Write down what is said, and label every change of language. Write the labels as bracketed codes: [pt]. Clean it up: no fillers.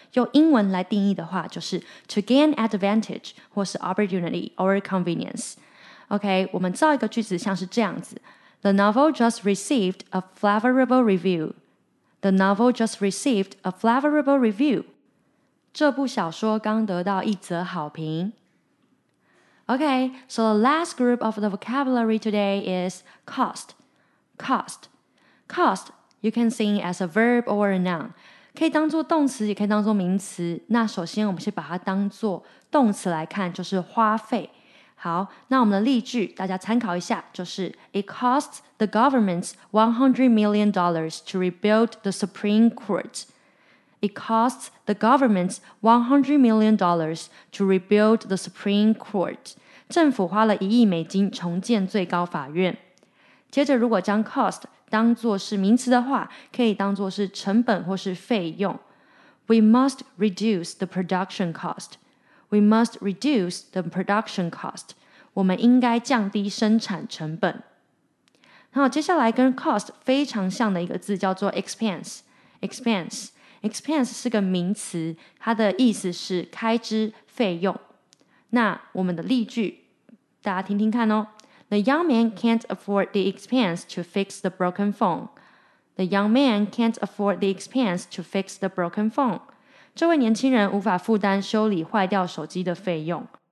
[zh] 用英文来定义的话，就是 [en] to gain advantage [zh] 或是 [en] opportunity or convenience。 [zh] OK， 我们造一个句子，像是这样子 ： [en] The novel just received a favorable review. The novel just received a favorable review. [zh] 这部小说刚得到一则好评。 [en] Okay, so the last group of the vocabulary today is cost. Cost. Cost, you can see it as a verb or a noun. [zh] 可以当作动词，也可以当作名词。那首先我们先把它当作动词来看，就是花费。好，那我们的例句大家参考一下，就是 [en] It costs the government $100 million to rebuild the Supreme Court. It costs the government $100 million to rebuild the Supreme Court. [zh] 政府花了$100 million重建最高法院。接着如果将 cost 当作是名词的话，可以当作是成本或是费用。 [en] We must reduce the production cost. We must reduce the production cost. [zh] 我们应该降低生产成本。好，接下来跟 cost 非常像的一个字叫做 expense. Expense. Expense 是个名词，它的意思是开支、费用。那我们的例句，大家听听看哦。 [en] The young man can't afford the expense to fix the broken phone. The young man can't afford the expense to fix the broken phone. [zh] 这位年轻人无法负担修理坏掉手机的费用。